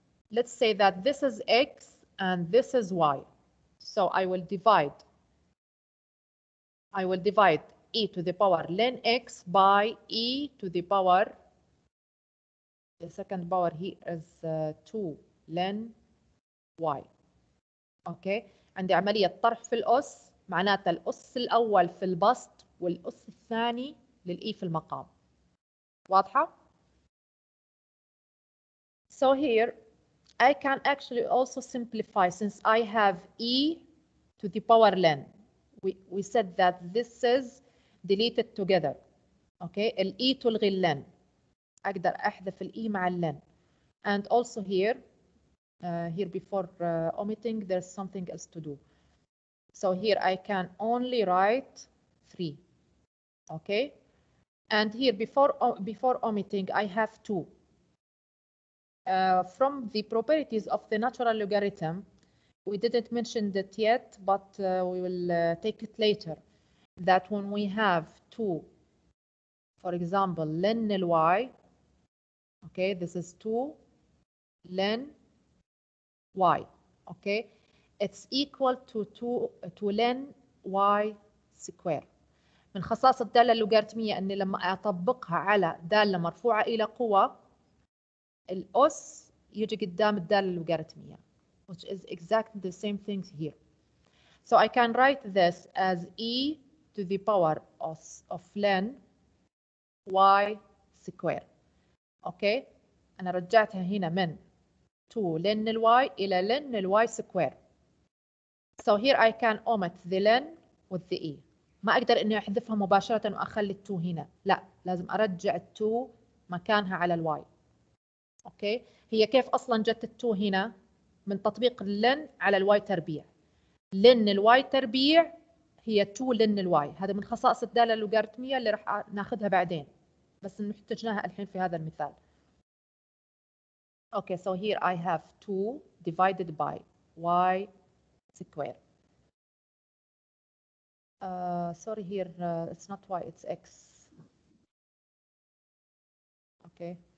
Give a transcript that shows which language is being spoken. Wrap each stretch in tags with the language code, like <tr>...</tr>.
<en>Let's say that this is x and this is y. So I will divide. I will divide e to the power ln x by e to the power. The second power here is 2. ln y.</en> <ar>اوكي عندي عمليه طرح في الاس معناتها الاس الاول في البسط والاس الثاني للاي في المقام. واضحه؟</ar> <en>So here I can actually also simplify since I have e to the power ln. We said that this is deleted together.</en> <ar>اوكي الاي تلغي ln. اقدر احذف الاي مع ln.</ar> <en>And also here here before omitting, there's something else to do. So here I can only write 3. Okay. And here before omitting, I have 2. From the properties of the natural logarithm, we didn't mention that yet, but we will take it later. That when we have 2, for example, ln nil y, okay, this is 2, ln y, okay, it's equal to 2 ln y square.</en> <ar>من خصائص الدالة اللوغاريتمية أني لما أطبقها على دالة مرفوعة إلى قوة الأس يجي قدام الدالة اللوغاريتمية</ar> <en>which is exactly the same things here. So I can write this as e to the power of ln y square.</en> <ar>Okay, أنا رجعتها هنا من 2 ln y إلى ln y square.</ar> <en>So here I can omit the ln with the e.</en> <ar>ما أقدر إني أحذفها مباشرة وأخلي 2 هنا. لا، لازم أرجع 2 مكانها على ال y. أوكي؟ هي كيف أصلاً جت 2 هنا؟ من تطبيق ln على ال y تربيع. ln ال y تربيع هي 2 ln ال y. هذا من خصائص الدالة اللوغاريتمية اللي راح ناخذها بعدين. بس محتجناها الحين في هذا المثال.</ar> <en>Okay, so here I have 2 divided by y square. Sorry, here it's not y, it's x. Okay.</en>